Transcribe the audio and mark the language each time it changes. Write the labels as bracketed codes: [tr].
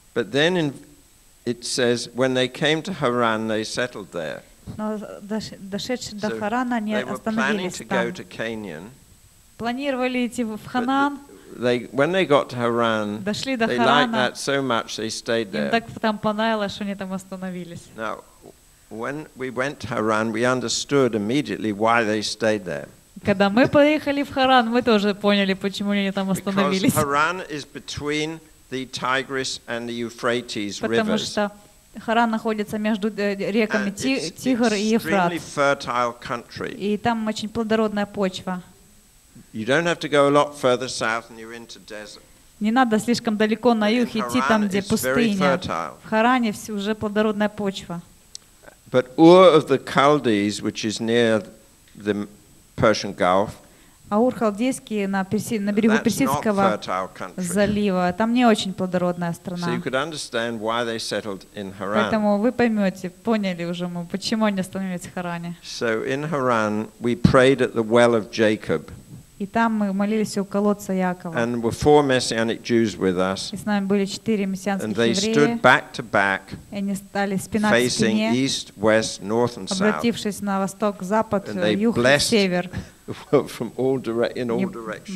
[en] But then it says when they came to Haran they settled there. [ru] Но дошедшие до Харана они остановились там. Планировали идти в Ханаан. [en] When they got to Haran, [ru] дошли до Харана. [en] They liked that so much they stayed there. [ru] Им так там понравилось, что они там остановились. [en] Now, when we went to Haran, we understood immediately why they stayed there. [ru] Когда мы поехали в Харан, мы тоже поняли, почему они там остановились. [en] Because Haran is between the Tigris and the Euphrates rivers. [ru] Потому что Харан находится между реками Тигр и Евфрат. [en] It's an extremely fertile country. [ru] И там очень плодородная почва. [en] You don't have to go a lot further south and you're into desert. [ru] Не надо слишком далеко на юг идти, там где пустыня. В Харане все уже плодородная почва. [en] But Ur of the Chaldees, which is near the Persian Gulf, [ru] Аур Халдейский на берегу Персидского залива. Там не очень плодородная страна. [en] So you could understand why they settled in Haran. [ru] Поэтому вы поймете, поняли уже мы, почему они остановились в Харане. [en] So in Haran we prayed at the well of Jacob. [ru] И там мы молились у колодца Якова. [en] And were four Messianic Jews with us. [ru] И с нами были четыре мессианских евреи. [en] And they stood back to back, [ru] они стали спина к спине, [en] facing east, west, north and south. [ru] Обратившись на восток, запад, юг, север. [en] From all in all directions.